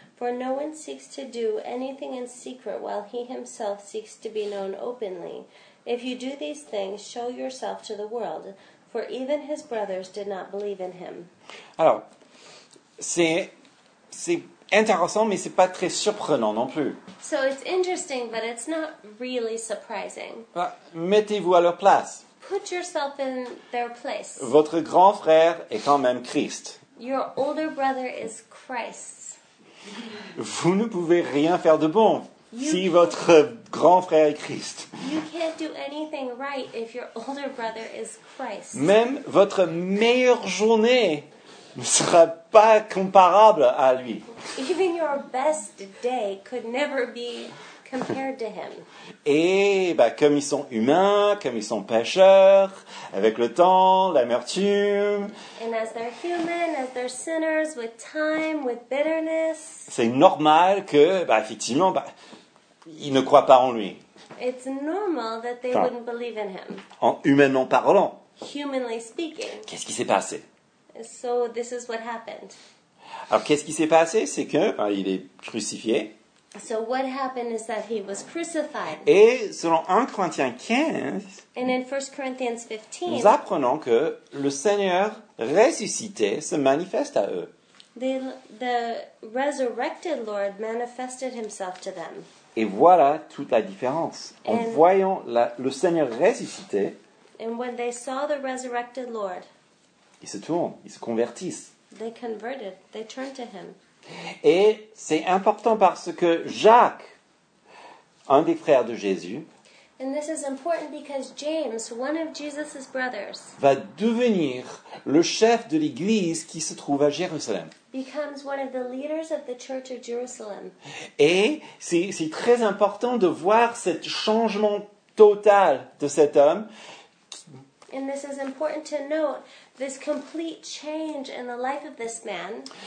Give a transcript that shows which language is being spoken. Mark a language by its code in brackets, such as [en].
[en] For no one seeks to do anything in secret while he himself seeks to be known openly. If you do these things, show yourself to the world. For even his brothers did not believe in him. [fr] Alors, c'est intéressant, mais c'est pas très surprenant non plus. [en] So it's interesting, but it's not really surprising. [fr] Bah, mettez-vous à leur place. [en] Put yourself in their place. [fr] Votre grand frère est quand même Christ. [en] Your older brother is Christ. [fr] Vous ne pouvez rien faire de bon. Si votre grand frère est Christ. [en] You can't do anything right if your older brother is Christ. [fr] Même votre meilleure journée ne sera pas comparable à lui. [en] Even your best day could never be compared to him. [fr] Et bah, comme ils sont humains, comme ils sont pécheurs, avec le temps, l'amertume. [en] And as they're human, as they're sinners, with time, with bitterness. [fr] C'est normal que, bah, effectivement, bah, ils ne croient pas en lui. [en] It's normal that they wouldn't believe in him. [fr] En humainement parlant. [en] Humanly speaking. [fr] Qu'est-ce qui s'est passé? [en] So this is what happened. [fr] Alors qu'est-ce qui s'est passé? C'est que, bah, il est crucifié. [en] So what happened is that he was crucified. [fr] Et selon 1 Corinthiens 15, [en] and in 1 Corinthians 15, [fr] nous apprenons que le Seigneur ressuscité se manifeste à eux. [en] The resurrected Lord manifested himself to them. [fr] Et voilà toute la différence. En and voyant le Seigneur ressuscité, [en] and when they saw the resurrected Lord, [fr] ils se tournent, ils se convertissent. [en] They converted, they turned to him. [fr] Et c'est important parce que Jacques, un des frères de Jésus, [en] and this is important because James, one of Jesus's brothers, [fr] va devenir le chef de l'église qui se trouve à Jérusalem. [en] Becomes one of the leaders of the church of Jerusalem. [fr] Et c'est très important de voir ce changement total de cet homme. [en] And this is important to note, this complete change in the life of this man.